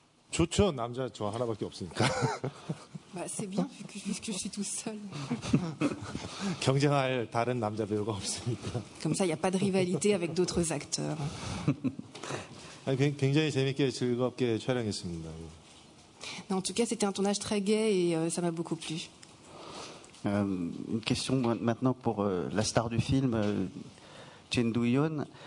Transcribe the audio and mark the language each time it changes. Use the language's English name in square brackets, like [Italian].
[Korean] 좋죠, 남자 저 하나밖에 없으니까. [French] Bah, c'est bien puisque je suis tout seul. [Korean] 경쟁할 다른 남자 배우가 없으니까. [French] Comme ça, il n'y a pas de rivalité avec d'autres acteurs. [Korean] 굉장히 재밌게 즐겁게 촬영했습니다. [French] Non, en tout cas, c'était un tournage très gai et ça m'a beaucoup plu. Une question maintenant pour la star du film, Jin Do-hyun.